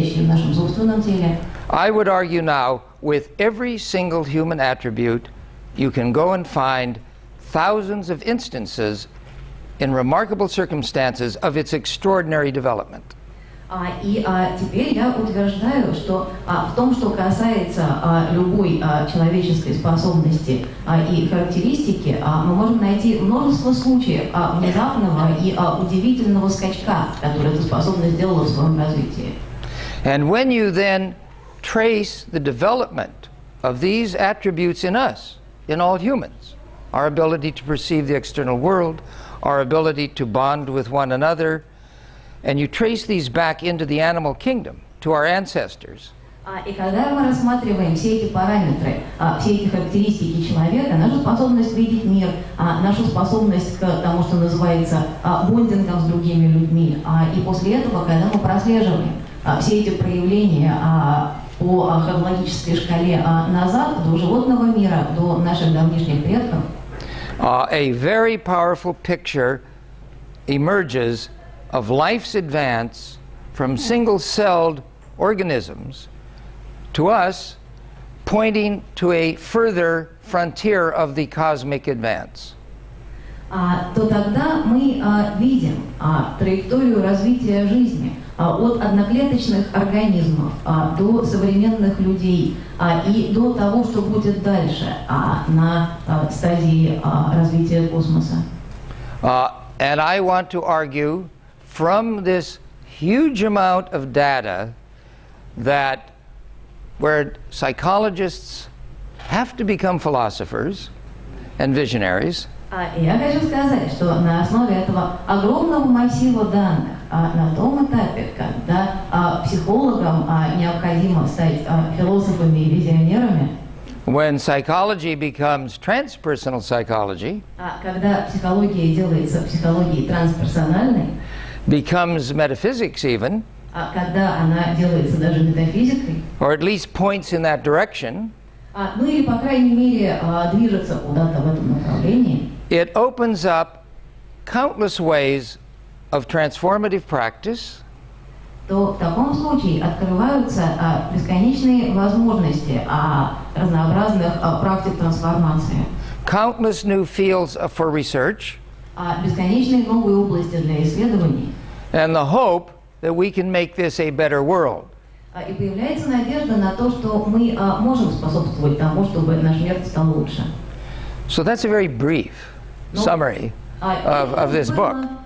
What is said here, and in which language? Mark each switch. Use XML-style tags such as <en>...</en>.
<en>I would argue now, with every single human attribute, you can go and find thousands of instances in remarkable circumstances of its extraordinary development.</en> <ru>Теперь я утверждаю, что в том, что касается любой человеческой способности и характеристики, мы можем найти множество случаев внезапного и удивительного скачка, который эта способность сделала в своем развитии.</ru> <en>And when you then trace the development of these attributes in us, in all humans, our ability to perceive the external world, our ability to bond with one another, and you trace these back into the animal kingdom, to our ancestors.</en> <ru>И когда мы рассматриваем все эти параметры, все эти характеристики человека, нашу способность видеть мир, нашу способность к тому, что называется бондингом с другими людьми, и после этого, когда мы прослеживаем все эти проявления по хронологической шкале назад, до животного мира, до наших давнишних предков,</ru> <en>A very powerful picture emerges of life's advance from single-celled organisms to us, pointing to a further frontier of the cosmic advance.</en> <ru>То тогда мы видим траекторию развития жизни от одноклеточных организмов до современных людей и до того, что будет дальше на стадии развития космоса.</ru> <en>And I want to argue from this huge amount of data that where psychologists have to become philosophers and visionaries.</en> <ru>Я хочу сказать, что на основе этого огромного массива данных, на том этапе, когда психологам необходимо стать философами и визионерами,</ru> <en>when psychology becomes transpersonal psychology,</en> <ru>когда психология делается психологией трансперсональной,</ru> <en>becomes metaphysics even,</en> <ru>когда она делается даже метафизикой,</ru> <en>or at least points in that direction,</en> <ru>ну или, по крайней мере, движется куда-то в этом направлении,</ru> <en>it opens up countless ways of transformative practice.</en> <ru>То в таком случае открываются бесконечные возможности разнообразных практик трансформации.</ru> <en>Countless new fields for research.</en> <ru>Бесконечные новые области для исследований.</ru> <en>And the hope that we can make this a better world.</en> <ru>И появляется надежда на то, что мы можем способствовать тому, чтобы наш мир стал лучше.</ru> <en>So that's a very brief summary of this book.</en>